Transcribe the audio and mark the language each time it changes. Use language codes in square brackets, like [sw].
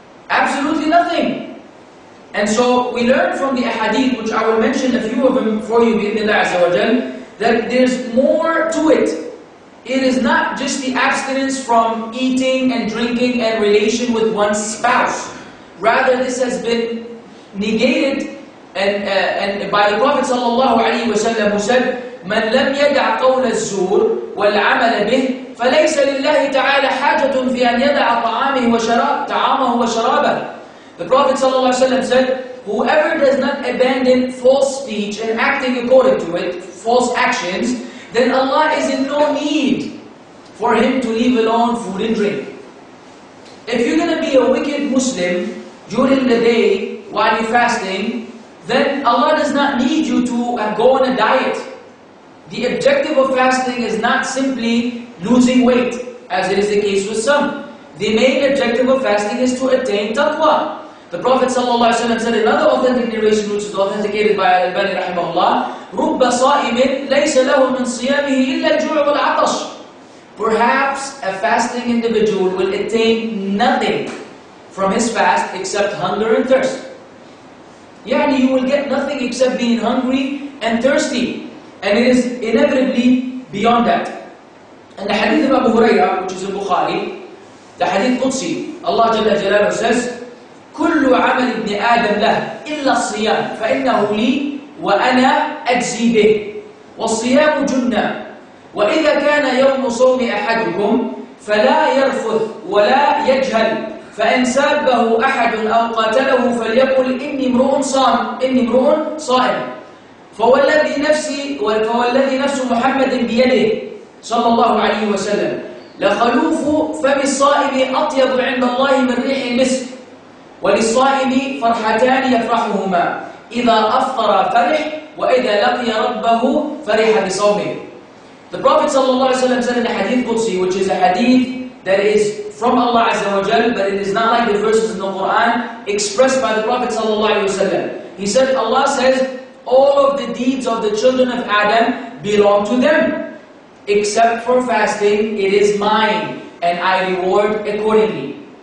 [en] Absolutely nothing. And so we learn from the ahadith, which I will mention a few of them for you, bi'idhnillah azza wa jal, that there's more to it. It is not just the abstinence from eating and drinking and relation with one's spouse. Rather, this has been negated and by the Prophet sallallahu alayhi wa sallam, who said, [ar] مَنْ لَمْ يَدَعْ قَوْلَ الزُّورِ وَالْعَمَلَ بِهِ فَلَيْسَ لِلَّهِ تَعَالَى حَاجَةٌ فِي أَنْ يَدَعَ طَعَامَهُ وَشَرَابَهُ. [en] The Prophet sallallahu alayhi wa sallam said, whoever does not abandon false speech and acting according to it, false actions, then Allah is in no need for him to leave alone food and drink. If you're going to be a wicked Muslim during the day while you're fasting, then Allah does not need you to go on a diet. The objective of fasting is not simply losing weight, as it is the case with some. The main objective of fasting is to attain taqwa. The Prophet ﷺ said another authentic narration, which is authenticated by Al-Albani rahimahullah, [ar] رُبَّ صَائِمٍ لَيْسَ لَهُ مِنْ صِيَامِهِ إِلَّا الْجُوعُ وَالْعَطَشُ. [en] Perhaps a fasting individual will attain nothing from his fast except hunger and thirst. يعني you will get nothing except being hungry and thirsty. And it is inevitably beyond that. And the hadith of Abu Huraira, which is in Bukhari, the hadith Qudsi, Allah Jalla Jalala says, [ar] كل عمل ابن آدم له إلا الصيام فإنه لي وأنا أجزي به والصيام جنة وإذا كان يوم صوم أحدكم فلا يرفث ولا يجهل فإن سابه أحد أو قاتله فليقل إني امرؤ صام إني امرؤ صائم فوالذي نفسي فوالذي نفس محمد بيده صلى الله عليه وسلم لخلوف فم الصائم أطيب عند الله من ريح المسك وللصائم فرحتان يفرحهما إذا أفطر فرح وإذا لقي ربه فرح بصومه. [en] The Prophet [ar] صلى الله عليه وسلم [en] said in a hadith Qudsi, which is a hadith that is from Allah [ar] عز وجل, [en] but it is not like the verses in the Quran expressed by the Prophet صلى الله عليه وسلم. He said, Allah says, all of the deeds of the children of Adam belong to them, except for fasting, it is mine, and I reward accordingly.